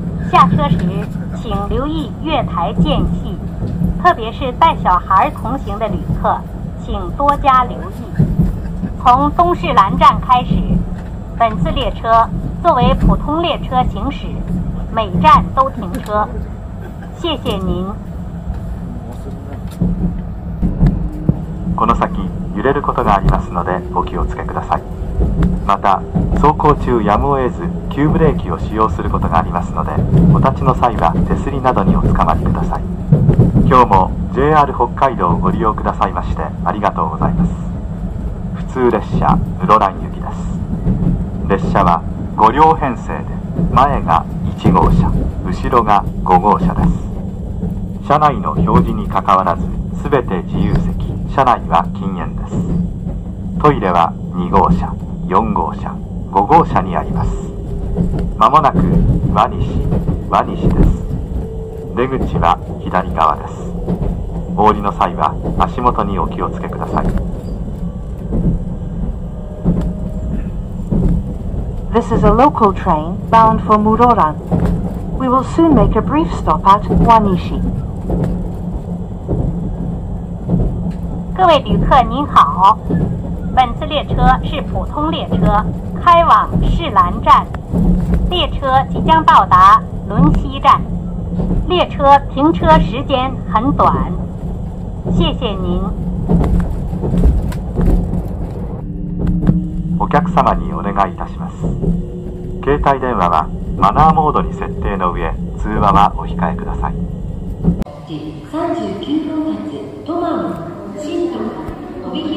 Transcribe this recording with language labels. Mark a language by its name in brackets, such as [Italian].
[Chinese] 下车时请留意月台间隙，特别是带小孩同行的旅客请多加留意。从东室蘭站开始，本次列车作为普通列车行驶，每站都停车，谢谢您。 [Japanese] この先揺れることがありますのでお気をつけください。また走行中やむを得ず急ブレーキを使用することがありますので、お立ちの際は手すりなどにおつかまりください。今日も JR 北海道をご利用くださいましてありがとうございます。普通列車室蘭行きです。列車は5両編成で、前が1号車、後ろが5号車です。車内の表示にかかわらず全て自由席、車内は禁煙です。トイレは2号車、4号車、5号車にあります。まもなく輪西です。出口は左側です。お降りの際は足元にお気をつけください。 [English] This is a local train bound for 室蘭. We will soon make a brief stop at 輪西。 [Chinese] 各位旅客您好，本次列车是普通列车，开往室蘭站，列车即将到达轮西站，列车停车时间很短，谢谢您。 [Japanese] お客様にお願いいたします。携帯電話はマナーモードに設定の上通話はお控えください。